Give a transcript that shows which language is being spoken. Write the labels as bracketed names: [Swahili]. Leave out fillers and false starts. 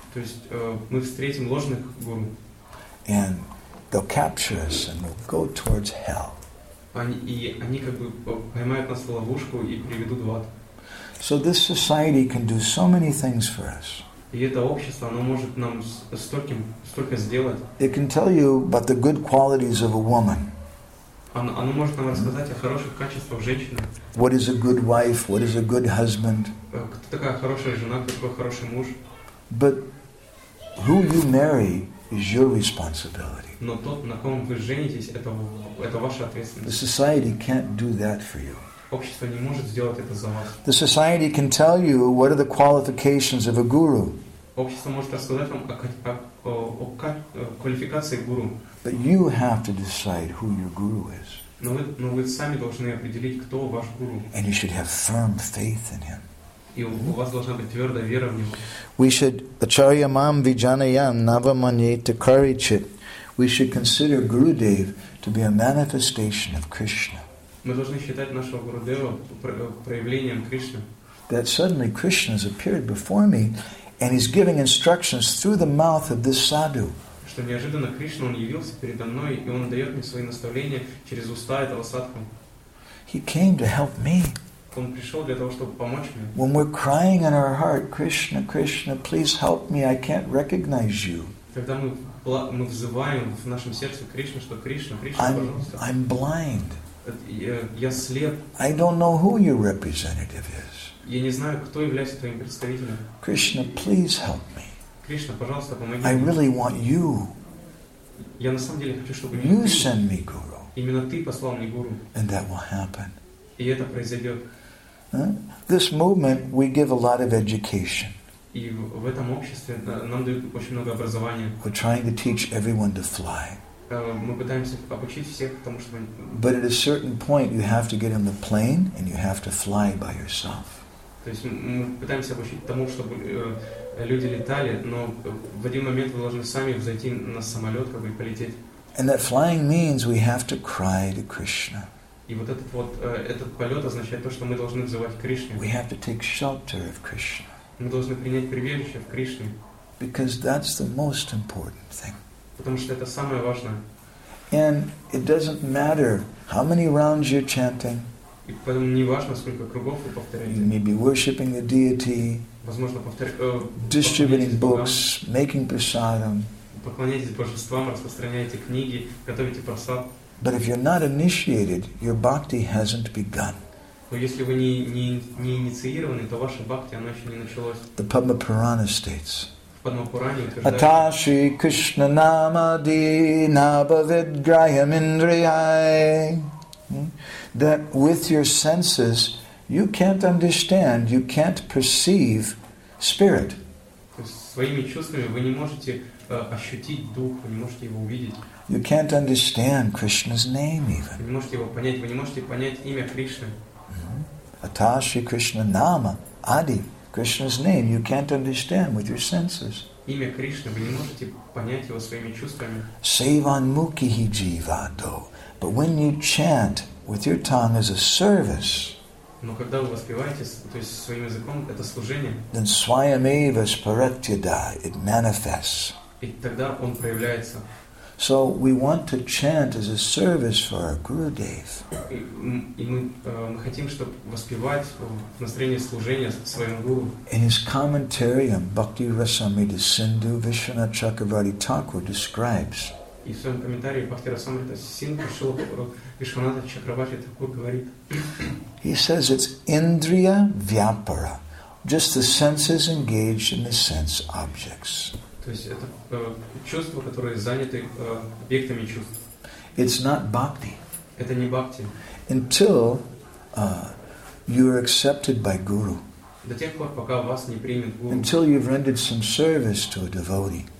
[Russian] То есть мы встретим ложных гуру. [English] And they'll capture us and we'll go towards hell. [Russian] Они как бы поймают нас в ловушку и приведут в ад. [English] So this society can do so many things for us. [Russian] И это общество, оно может нам столько сделать. [English] It can tell you about the good qualities of a woman. [Russian] Оно может нам рассказать о хороших качествах женщины. [English] What is a good wife? What is a good husband? [Russian] Кто такая хорошая жена? Кто такой хороший муж? [English] But who you marry is your responsibility. [Russian] Но тот, на ком вы женитесь, это ваша ответственность. [English] The society can't do that for you. [Russian] Общество не может сделать это за вас. [English] The society can tell you what are the qualifications of a guru. [Russian] Общество может рассказать вам о квалификации гуру. [English] But you have to decide who your guru is. [Russian] Но вы сами должны определить, кто ваш гуру. [English] And you should have firm faith in him. [Russian] И у вас должна быть твердая вера в него. [English] We should [Sanskrit] acharya mam vijanayam navamanye tikarichit. [English] We should consider Gurudev to be a manifestation of Krishna. [Russian] Мы должны считать нашего Гурудева проявлением Кришны. [English] That suddenly Krishna has appeared before me and he's giving instructions through the mouth of this sadhu. [Russian] Что неожиданно Кришна, он явился передо мной и он дает мне свои наставления через уста этого садху. [English] He came to help me. [Russian] Он пришел для того, чтобы помочь мне. [English] When we're crying in our heart, Krishna, Krishna, please help me, I can't recognize you. [Russian] Когда мы взываем в нашем сердце Кришна, что Кришна, Кришна, пожалуйста. [English] I'm blind. [Russian] Я слеп. [English] I don't know who your representative is. [Russian] Я не знаю, кто является твоим представителем. [English] Krishna, please help me. [Russian] Кришна, пожалуйста, помоги мне. [English] I really want you. [Russian] Я на самом деле хочу, чтобы [English] you send me guru. [Russian] Именно ты послал мне гуру. [English] And that will happen. [Russian] И это произойдет. [English] This movement, we give a lot of education. [Russian] И в этом обществе нам дают очень много образования. [English] We're trying to teach everyone to fly. [Russian] Мы пытаемся обучить всех тому, чтобы. [English] But at a certain point, you have to get on the plane and you have to fly by yourself. [Russian] То есть мы пытаемся обучить тому, чтобы люди летали, но в один момент мы должны сами взойти на самолет, как бы полететь. [English] And that flying means we have to cry to Krishna. [Russian] И вот этот вот этот полет означает то, что мы должны взывать Кришну. [English] We have to take shelter of Krishna. [Russian] Мы должны принять прибежище в Кришне. [English] Because that's the most important thing. [Russian] Потому что это самое важное. [English] And it doesn't matter how many rounds you're chanting. [Russian] И поэтому не важно, сколько кругов вы повторяете. [English] You may be worshiping the deity. [Russian] Возможно, [English] distributing books, making prasadam. [Russian] Поклоняйтесь божествам, распространяйте книги, готовите прасад. [English] But if you're not initiated, your bhakti hasn't begun. [Russian] Но если вы не инициированы, то ваша бхакти она еще не началась. [English] The Padma Purana states. [Sanskrit] Atashi Krishna Namadi Nabavidgraham Indriyai. [English] That with your senses you can't understand, you can't perceive spirit. [Russian] Своими чувствами вы не можете ощутить дух, вы не можете его увидеть. [English] You can't understand Krishna's name even. [Russian] Вы не можете его понять, вы не можете понять имя Кришны. [Sanskrit] Atashi Krishna Nama Adi. [English] Krishna's name you can't understand with your senses. [Russian] Имя Кришны вы не можете понять его своими чувствами. [Sanskrit] Sevan mukhi jiva do. [English] But when you chant with your tongue as a service. [Russian] Но когда вы воспеваете, то есть своим языком, это служение. [English] Then [Sanskrit] swayameva sparatyada, [English] it manifests. [Russian] И тогда он проявляется. [English] So we want to chant as a service for our Gurudev. [Russian] И мы хотим, чтобы воспевать в настроении служения своему гуру. [English] In his commentary on Bhakti Rasamrita Sindhu, Vishwanath Chakravarti Thakur describes. [Russian] И в своем комментарии Бхакти Расамрита Синдху Вишванатха Чакраварти Такур говорит. [English] He says it's indriya vyapara, just the senses engaged in the sense objects. [Russian] То есть это чувства, которые заняты объектами чувств. [English] It's not bhakti. [Russian] Это не бхакти. [English] Until you are accepted by guru. [Russian] До тех пор, пока вас не примет гуру. [English] Until you've rendered some service to a devotee.